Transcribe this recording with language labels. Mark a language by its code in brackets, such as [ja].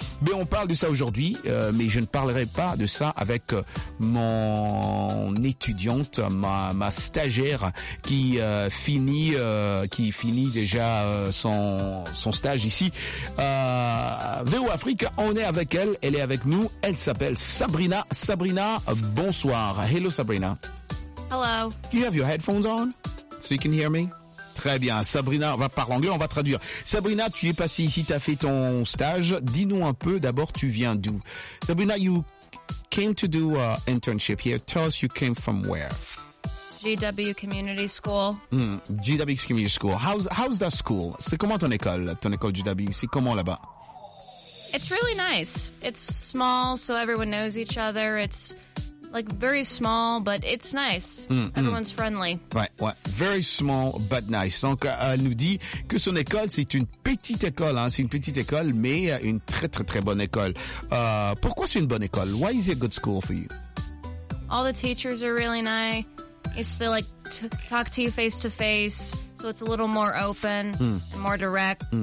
[fr] Mais on parle de ça aujourd'hui, mais je ne parlerai pas de ça avec mon étudiante, ma stagiaire qui finit déjà son stage ici. VO Afrique, on est avec elle, elle est avec nous, elle s'appelle Sabrina. Sabrina, bonsoir. [en] Hello, [fr] Sabrina. [en] Hello. You have your headphones on so you can hear me? [fr] Très bien. Sabrina, on va parler anglais, on va traduire. Sabrina, tu es passée ici, tu as fait ton stage. Dis-nous un peu, d'abord, tu viens d'où? [en] Sabrina, you came to do an internship here. Tell us you came from where? GW Community School. [fr] GW Community School. [en] How's that school? [fr] C'est comment ton école GW? C'est comment là-bas? [en] It's really nice. It's small, so everyone knows each other. It's like very small, but it's nice. Everyone's friendly. Ouais. Very small, but nice. [fr] Donc, elle nous dit que son école, c'est une petite école, hein. C'est une petite école, mais une très, très, très bonne école. Pourquoi c'est une bonne école? [en] Why is it a good school for you? All the teachers are really nice. They like talk to you face to face, so it's a little more open and more direct.